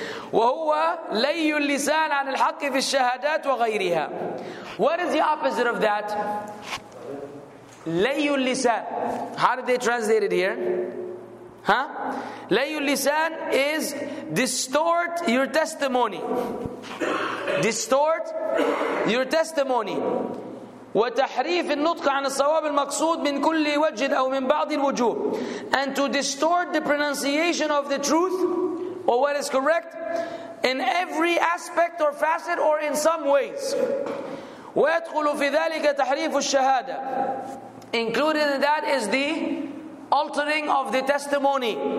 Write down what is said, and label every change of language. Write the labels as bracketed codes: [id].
[ar] وَهُوَ لَيُّ اللِّسَانَ عَنِ الْحَقِّ فِي الشَّهَادَاتِ وَغَيْرِهَا. [en] What is the opposite of that? [ar] لَيُّ اللِّسَانَ. [en] How did they translate it here? Huh? [ar] لَيُّ اللِّسَانَ [en] is distort your testimony. Distort your testimony. [ar] وتحريف النطق عن الصواب المقصود من كل وجه أو من بعض الوجوه. [en] And to distort the pronunciation of the truth or what is correct in every aspect or facet or in some ways. [ar] ويدخل في ذلك تحريف الشهادة. [en] Included in that is the altering of the testimony.